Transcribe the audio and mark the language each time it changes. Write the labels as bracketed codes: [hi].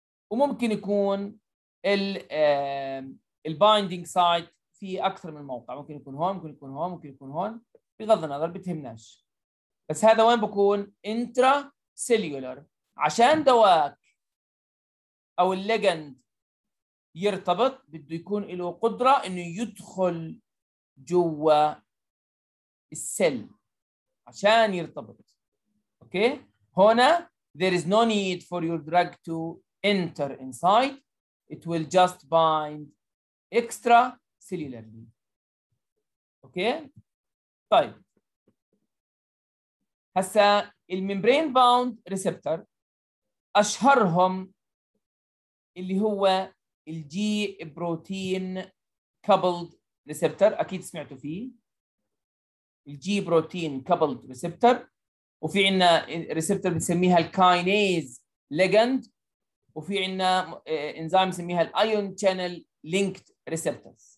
[ar] وممكن يكون ال binding site في أكثر من موقع، ممكن يكون هون ممكن يكون هون ممكن يكون هون بغض النظر بتهمناش، بس هذا وين بكون intra cellular عشان دواك أو الليجند يرتبط بده يكون له قدرة إنه يدخل جوا السل عشان يرتبط. أوكي هنا [en] there is no need for your drug to enter inside, it will just bind extra cellularly. [ar] أوكي طيب هسا الممبرين bound receptor أشهرهم اللي هو الجي بروتين كابلد ريسبتر، أكيد سمعتوا فيه الجي بروتين كابلد ريسبتر، وفي عنا ريسبتر بنسميها الكاينيز ليجند، وفي عنا إنزيم بنسميها الأيون تشانل لينكد ريسبتر.